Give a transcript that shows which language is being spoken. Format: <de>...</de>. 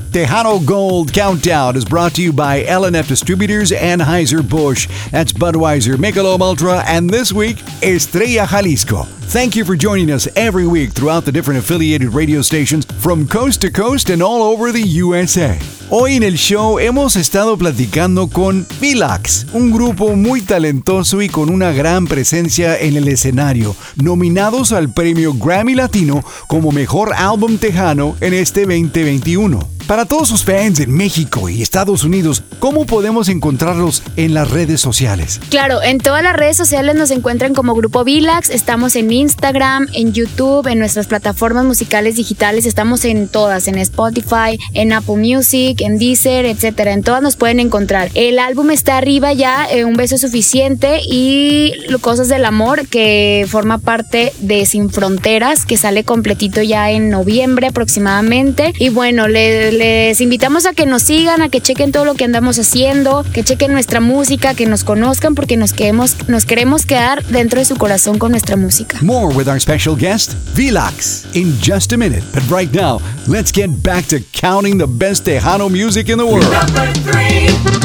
<en>Tejano Gold Countdown is brought to you by L&F Distributors, Anheuser-Busch. That's Budweiser, Michelob Ultra, and this week, Estrella Jalisco. Thank you for joining us every week throughout the different affiliated radio stations from coast to coast and all over the USA.</en> <es>Hoy en el show hemos estado platicando con Philax, un grupo muy talentoso y con una gran presencia en el escenario, nominados al premio Grammy Latino como Mejor Álbum Tejano en este 2021. Para todos sus fans en México y Estados Unidos, ¿cómo podemos encontrarlos en las redes sociales? Claro, en todas las redes sociales nos encuentran como Grupo Philax. Estamos en Instagram, en YouTube, en nuestras plataformas musicales digitales. Estamos en todas, en Spotify, en Apple Music, en Deezer, etcétera. En todas nos pueden encontrar. El álbum está arriba ya, Un Beso Suficiente y Cosas del Amor, que forma parte de Sin Fronteras, que sale completito ya en noviembre aproximadamente. Y bueno, les invitamos a que nos sigan, a que chequen todo lo que andamos haciendo, que chequen nuestra música, que nos conozcan, porque nos queremos quedar dentro de su corazón con nuestra música.</es> <en>More with our special guest, Philax, in just a minute. But right now, let's get back to counting the best Tejano music in the world.</en>